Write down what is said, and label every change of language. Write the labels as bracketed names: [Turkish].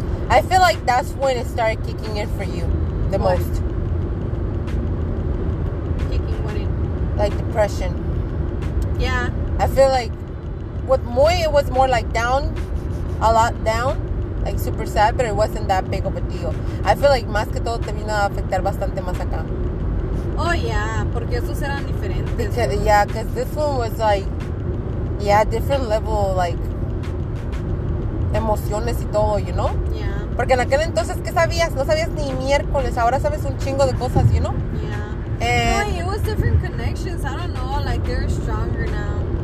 [English] I feel like that's when it started kicking in for you the most. Kicking what in? Like depression. Yeah. I feel like with Moy, it was more like down, a lot down, like super sad, but it wasn't that big of a deal. [Spanish] I feel like más que todo te vino a afectar bastante más acá. Oh, yeah, porque esos eran diferentes. [English] Because, yeah, because this one was like, yeah, different level, like, emociones y todo, you know? Yeah. [Spanish] Porque en aquel entonces, ¿qué sabías? No sabías ni miércoles, ahora sabes un chingo de cosas, you know? [English] Yeah. And, it was different connections, I don't know, like, they're stronger now.